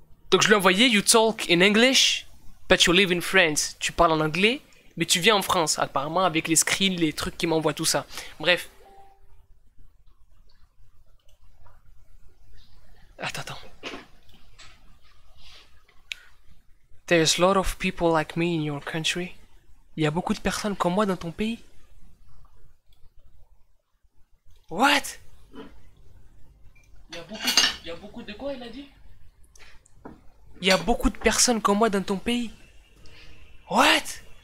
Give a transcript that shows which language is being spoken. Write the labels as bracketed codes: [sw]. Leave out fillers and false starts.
[fr] Donc je lui ai envoyé [en] You talk in English, but you live in France. [fr] Tu parles en anglais, mais tu viens en France. Apparemment, avec les screens, les trucs qui m'envoient, tout ça. Bref. Attends. [en] There's a lot of people like me in your country. [fr] Il y a beaucoup de personnes comme moi dans ton pays. [en] What? [fr] Il y a beaucoup de quoi, il a dit? Il y a beaucoup de personnes comme moi dans ton pays. [en] What?